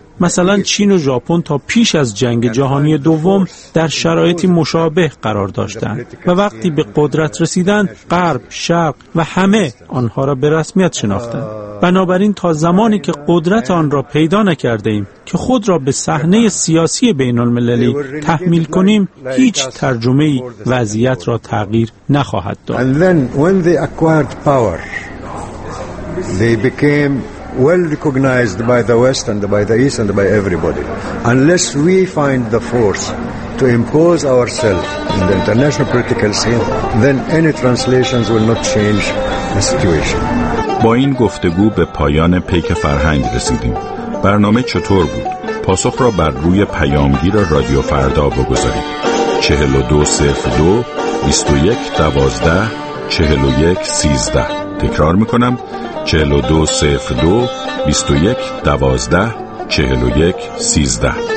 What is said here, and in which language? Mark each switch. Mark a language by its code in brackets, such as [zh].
[fa] مثلا چین و ژاپن تا پیش از جنگ جهانی دوم در شرایطی مشابه قرار داشتند و وقتی به قدرت رسیدند، غرب، شرق و همه آنها را به رسمیت شناختند. بنابراین تا زمانی که قدرت آن را پیدا نکرده ایم که خود را به صحنه سیاسی بین المللی تحمیل کنیم، هیچ ترجمه‌ای وضعیت را تغییر نخواهد داد. [en] And then when they acquired power, they became well recognized by the West and by the East and by everybody. Unless we find the force to impose ourselves in the international political scene, then any translations will not change the situation. [fa] با این گفتگو به پایان پیک فرهنگ رسیدیم. برنامه چطور بود؟ پاسخ را بر روی پیامگیر رادیو فردا بگذارید. 42-02-21-12-41-13. تکرار میکنم، 42-02-21-12-41-13.